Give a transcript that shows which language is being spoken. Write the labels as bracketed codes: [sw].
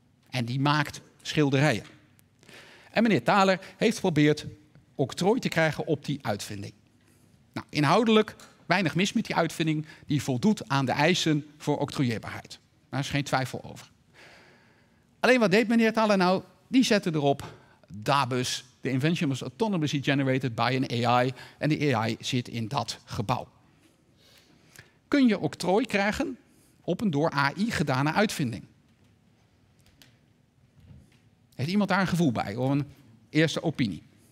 [nl] En die maakt schilderijen. En meneer Thaler heeft geprobeerd octrooi te krijgen op die uitvinding. Nou, inhoudelijk weinig mis met die uitvinding. Die voldoet aan de eisen voor octrooieerbaarheid. Daar is geen twijfel over. Alleen wat deed meneer Thaler nou? Die zette erop, [en] Dabus, the invention was autonomously generated by an AI. [nl] En de AI zit in dat gebouw. Kun je octrooi krijgen op een door AI gedane uitvinding? Heeft iemand daar een gevoel bij of een eerste opinie?